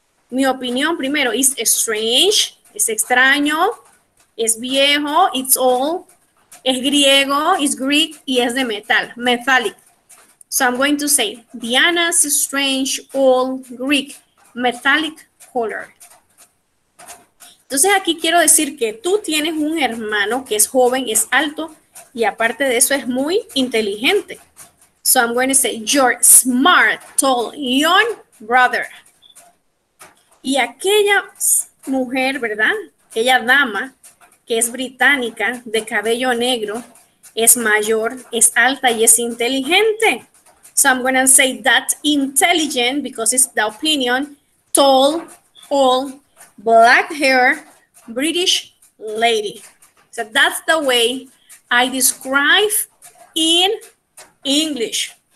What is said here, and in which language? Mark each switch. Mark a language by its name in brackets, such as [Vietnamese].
[Spanish] Mi opinión primero, [English] it's strange, [Spanish] es extraño, es viejo, [English] it's old, [Spanish] es griego, [English] it's Greek [Spanish] y es de metal, [English] metallic. So I'm going to say, Diana's strange old Greek metallic collar. [Spanish] Entonces aquí quiero decir que tú tienes un hermano que es joven, es alto y aparte de eso es muy inteligente. [English] So I'm going to say, your smart, tall, young brother. [Spanish] Y aquella mujer, ¿verdad? Aquella dama que es británica, de cabello negro, es mayor, es alta y es inteligente. [English] So I'm going to say that intelligent, because it's the opinion, tall, old, black hair, British lady. So that's the way I describe in English.